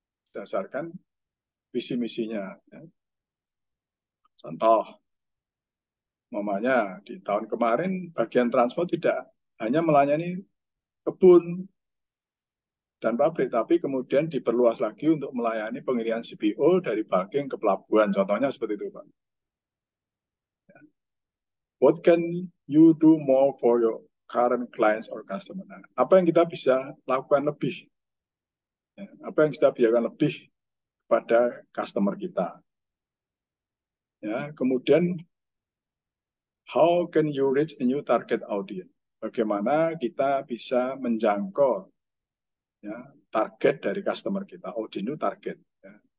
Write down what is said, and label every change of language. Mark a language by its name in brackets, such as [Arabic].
[Indonesian] Dasarkan visi misinya. Ya. Contoh, mamanya di tahun kemarin bagian transport tidak hanya melayani kebun dan pabrik, tapi kemudian diperluas lagi untuk melayani pengiriman CPO dari bulking ke pelabuhan. Contohnya seperti itu, Pak. [English] What can you do more for your current clients or customer? [Indonesian] Nah, apa yang kita bisa lakukan lebih? Apa yang kita biarkan lebih kepada customer kita. Ya, kemudian, [English] how can you reach a new target audience? [Indonesian] Bagaimana kita bisa menjangkau ya, target dari customer kita, [English] audience new target. [Indonesian] Ya.